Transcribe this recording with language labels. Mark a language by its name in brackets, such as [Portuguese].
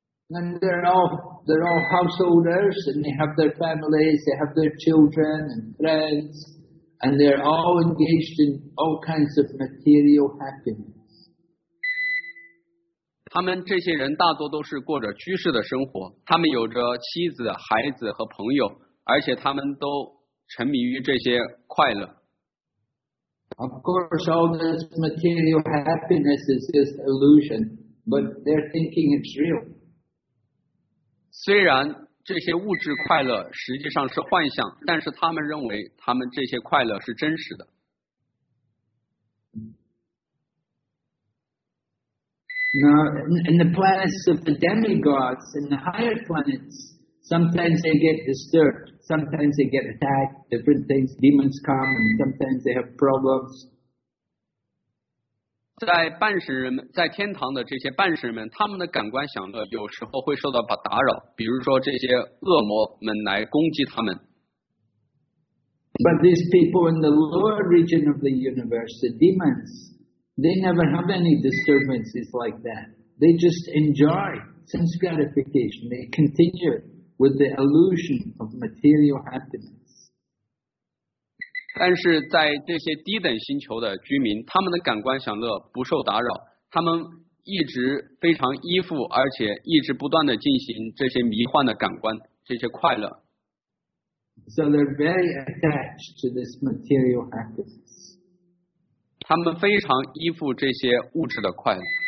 [English] And they're all householders, and they have their families, they have their children and friends. And they're all engaged in all kinds of material happiness. [Chinese] 他们这些人大多都是过着居士的生活，他们有着妻子、孩子和朋友，而且他们都沉迷于这些快乐。 [English] Of course, all this material happiness is just illusion, but they're thinking it's real. [Chinese] 虽然这些物质快乐实际上是幻象，但是他们认为他们这些快乐是真实的。 [English] Now, in the planets of the demigods, in the higher planets, sometimes they get disturbed, sometimes they get attacked, different things, demons come, and sometimes they have problems. [Chinese] 在半神人们，在天堂的这些半神人们，他们的感官享乐有时候会受到打扰，比如说这些恶魔们来攻击他们。 [English] But these people in the lower region of the universe, the demons, they never have any disturbances like that. They just enjoy sense gratification. They continue with the illusion of material happiness. [Chinese] 但是在这些低等星球的居民，他们的感官享乐不受打扰，他们一直非常依附，而且一直不断地进行这些迷幻的感官，这些快乐。 [English] So they're very attached to this material happiness. [Chinese] 他们非常依附这些物质的快乐。